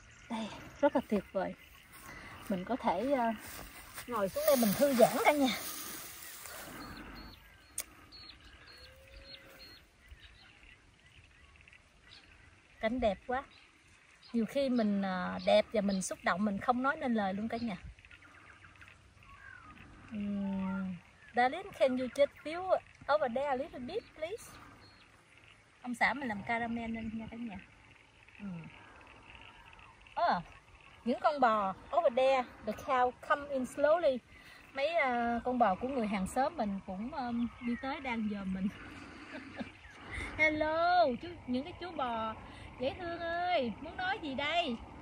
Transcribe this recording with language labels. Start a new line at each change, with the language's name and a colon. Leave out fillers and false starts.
Vietnamese: Đây, rất là tuyệt vời. Mình có thể ngồi xuống đây mình thư giãn cả nhà. Cảnh đẹp quá. Nhiều khi mình đẹp và mình xúc động, mình không nói nên lời luôn cả nhà.
English: Darling, can you just peel over there a little bit, please?
Vietnamese: Ông xã mình làm caramel lên nha cả nhà. Những con bò
English: over there, the cow come in slowly.
Vietnamese: Mấy con bò của người hàng xóm mình cũng đi tới đang dòm mình. Hello, những cái chú bò dễ thương ơi, muốn nói gì đây?